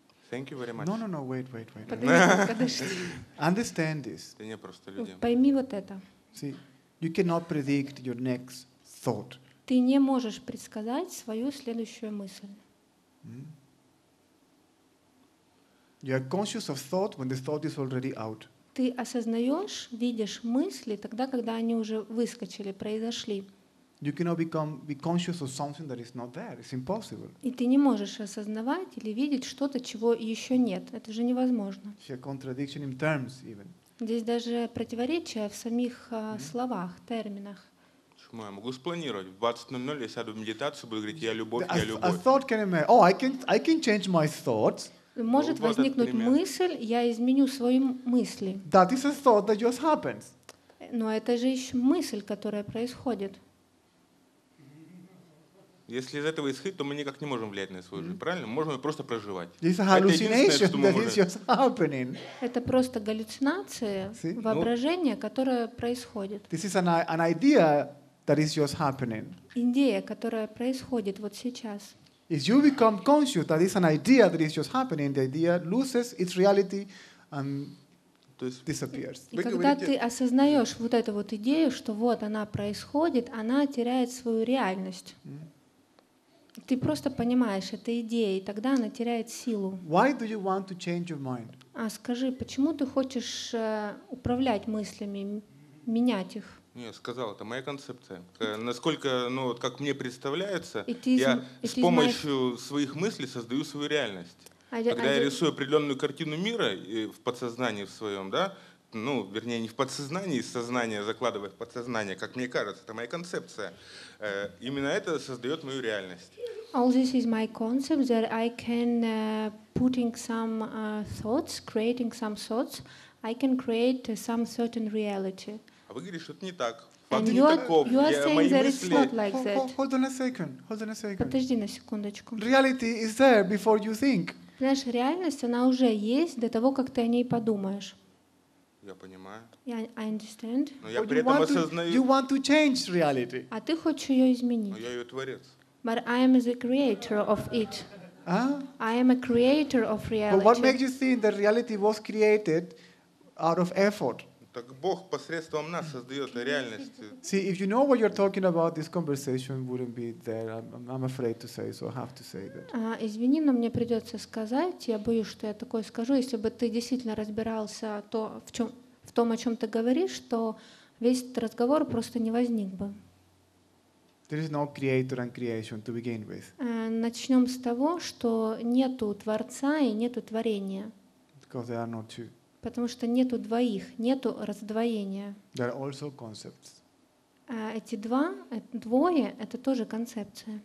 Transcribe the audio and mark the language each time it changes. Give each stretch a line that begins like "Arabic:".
English: Thank you very much. No, wait.
Russian: Подожди.
English: Understand this.
Russian: Ты не просто людям. Пойми вот это.
English: See, you cannot predict your next thought.
Russian: Ты не можешь предсказать свою следующую мысль.
English: You are conscious of thought when the thought is already out.
Russian: Ты осознаешь, видишь мысли тогда, когда они уже выскочили, произошли.
English: You cannot be conscious of something that is not there. It's impossible.
Russian: И ты не можешь осознавать или видеть что-то, чего еще нет. Это же невозможно.
English: It's a contradiction in terms even.
Russian: Здесь даже противоречие в самих словах, терминах. Почему я могу спланировать? В 20:00 я сяду в медитацию, буду говорить, я любовь, я любовь.
English: A thought can emerge. Oh, I can change my thoughts.
Russian: Может возникнуть мысль, я изменю свои мысли.
English: That is a thought that just happens.
Russian: Но это же еще мысль, которая происходит. Если из этого исходить, то мы никак не можем влиять на свою жизнь, правильно? Можем просто проживать.
English: It's a hallucination,
Russian: это единственное, что мы можем.
English: That is just happening.
Russian: Это просто галлюцинация,
English: see?
Russian: Воображение, которое происходит.
English: This is an idea that is just happening.
Russian: Идея, которая происходит вот сейчас.
English: If you become conscious that it's an idea that is just happening, the idea loses its reality and disappears.
Russian: И когда ты осознаешь вот эту вот идею, что вот она происходит, она теряет свою реальность. Ты просто понимаешь, это идея, и тогда она теряет силу.
English: Why do you want to change your mind?
Russian: А скажи, почему ты хочешь управлять мыслями, менять их? Не, сказал, это моя концепция. Насколько, ну, вот как мне представляется, я с помощью своих мыслей создаю свою реальность. Когда я рисую определенную картину мира в подсознании в своем, да, ну, вернее, не в подсознании, сознание закладывает в подсознание, как мне кажется, это моя концепция. Именно это создает мою реальность.
English: All this is my concept that I can putting some thoughts, creating some thoughts, I can create some certain reality.
Russian: А вы говорите, что это не так. Факт не таков.
English: You are saying that it's not like that. Hold on a second.
Russian: Подожди на секундочку.
English: Reality is there before you think.
Russian: Знаешь, реальность, она уже есть до того, как ты о ней подумаешь. Я понимаю.
English: Yeah, I understand.
Russian: Но я при этом осознаю.
English: You want to change reality.
Russian: А ты хочешь ее изменить? Но я ее творец.
English: But I am the creator of it. Huh? I am a creator of reality. But what makes you think that reality was created out of effort?
Russian: Так Бог посредством нас создает реальность.
English: See, if you know what you're talking about, this conversation wouldn't be there. I'm afraid to say, so I have to say that.
Russian: Извини, но мне придется сказать. Я боюсь, что я такое скажу. Если бы ты действительно разбирался то, в том, о чем ты говоришь, то весь этот разговор просто не возник бы.
English: There is no creator and creation to begin with.
Russian: Начнем с того, что нету творца и нету творения.
English: Because there are no two.
Russian: Потому что нету двоих, нету раздвоения.
English: There are also concepts.
Russian: Эти два, двое, это тоже концепция.